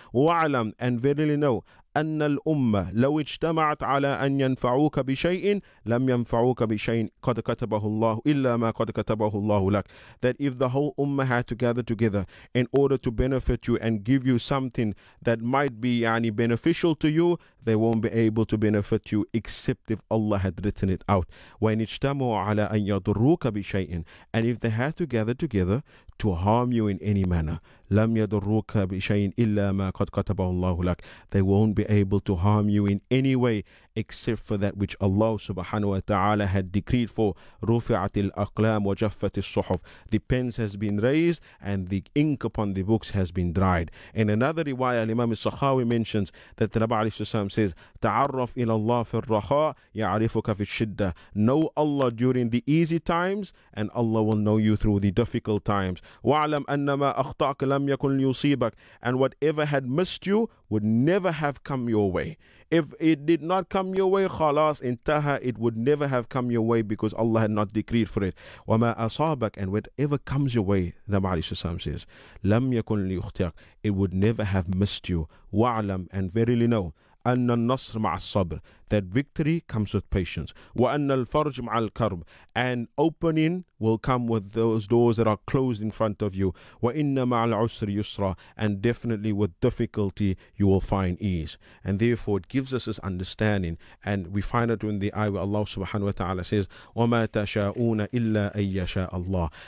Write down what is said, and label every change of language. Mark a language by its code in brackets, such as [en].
[ar] Wa'alam, [en] and verily know, [ar] أن الأمة لو اجتمعت على أن ينفعوك بشيء لم ينفعوك بشيء قد كتبه الله إلا ما قد كتبه الله لك. [en] That if the whole ummah had to gather together in order to benefit you and give you something that might be يعني beneficial to you, they won't be able to benefit you except if Allah had written it out. [ar] وإن اجتمعوا على أن يضروك بشيء. [en] And if they had to gather together to harm you in any manner, [ar] لَمْ يَدُرُّكَ بِشَيْءٍ إِلَّا مَا قَدْ كَتَبَهُ اللَّهُ لَكَ. [en] They won't be able to harm you in any way except for that which Allah subhanahu wa ta'ala had decreed for. [ar] رُفِعَتِ الْأَقْلَامُ وَجَفَّتِ الصُّحُفُ. [en] The pens has been raised and the ink upon the books has been dried. In another riwayah, Imam al-Sakhawi mentions that the Nabi alayhi salam says, [ar] تَعَرَّفْ إِلَى اللَّهِ فِي الرَّخَاءِ يَعْرِفُكَ فِي الشِّدَّةِ. [en] Know Allah during the easy times and Allah will know you through the difficult times. [ar] وَعْلَمْ أَنَّمَا أَخْطَأْكَ لَمْ يَكُنْ لِيُصِيبَكَ. [en] And whatever had missed you would never have come your way. If it did not come your way, [ar] خلاص انتهى, [en] it would never have come your way because Allah had not decreed for it. [ar] وَمَا أَصَابَكَ. [en] And whatever comes your way, the Nabi alayhi salam says, [ar] لَمْ يَكُنْ لِيُخْطِئَكَ. [en] It would never have missed you. [ar] وَعْلَمْ. [en] And verily know, [ar] أَنَّ النَّصْرَ مَعَ الصَّبْرِ. [en] That victory comes with patience. [ar] وَأَنَّ الْفَرْجَ مَعَ الْكَرْبِ. [en] And opening will come with those doors that are closed in front of you. [ar] وَإِنَّ مَعَ الْعُسْرِ يُسْرًا. [en] And definitely with difficulty you will find ease. And therefore it gives us this understanding. And we find it in the ayah where Allah subhanahu wa ta'ala says, [ar] وَمَا تَشَاءُونَ إِلَّا أَن يَشَاءَ اللَّهِ.